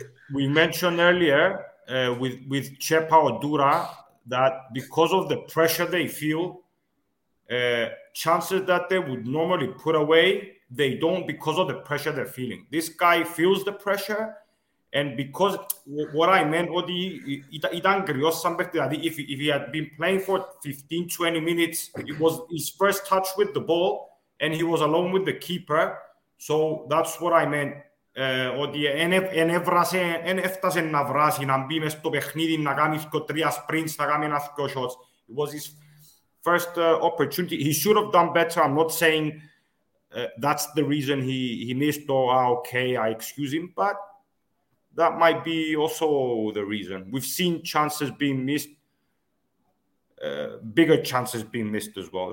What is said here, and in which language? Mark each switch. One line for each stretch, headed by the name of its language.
English: with Chepa Odura, that because of the pressure they feel, chances that they would normally put away, they don't because of the pressure they're feeling. This guy feels the pressure, and because what I meant, Odi,
Greek: ήταν κρυός σαν παιχτή. Δηλαδή,
English: if he had been playing for 15, 20 minutes, it was his first touch with the ball, and he was alone with the keeper. So that's what I meant.
Greek: Ότι εν έφτασε να βράσει, να μπει μες στο παιχνίδι, να κάνει τρία sprints, να κάνει ένα δύο shots.
English: It was his first opportunity. He should have done better. I'm not saying that's the reason he missed. Or, okay, I excuse him. But that might be also the reason. We've seen chances being missed, bigger chances being missed as well.